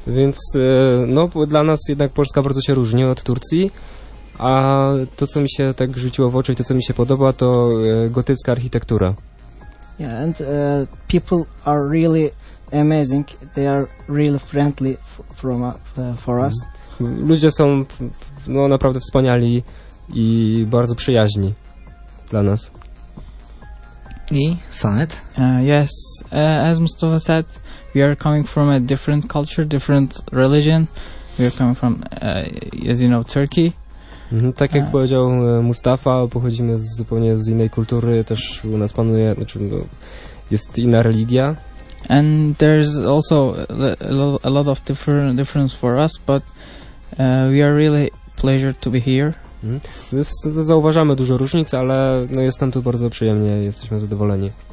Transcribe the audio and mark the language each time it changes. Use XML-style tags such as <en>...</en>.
<pl>Więc no, dla nas jednak Polska bardzo się różni od Turcji, a to co mi się tak rzuciło w oczy, to co mi się podoba, to gotycka architektura.</pl> <en>Yeah, and people are really amazing. They are really friendly for us.</en> <pl>Ludzie są no, naprawdę wspaniali i bardzo przyjaźni dla nas. I Sanet?</pl> <en>Yes, as Mustafa said, we are coming from a different culture, different religion. We are coming from, as you know, Turkey.</en> <pl>Tak jak powiedział Mustafa, pochodzimy zupełnie z innej kultury, też u nas panuje, znaczy, no, jest inna religia.</pl> <en>And there's also a lot of difference for us, but we are really pleasure to be here.</en> <pl>Zauważamy dużo różnic, ale no jest nam tu bardzo przyjemnie, jesteśmy zadowoleni.</pl>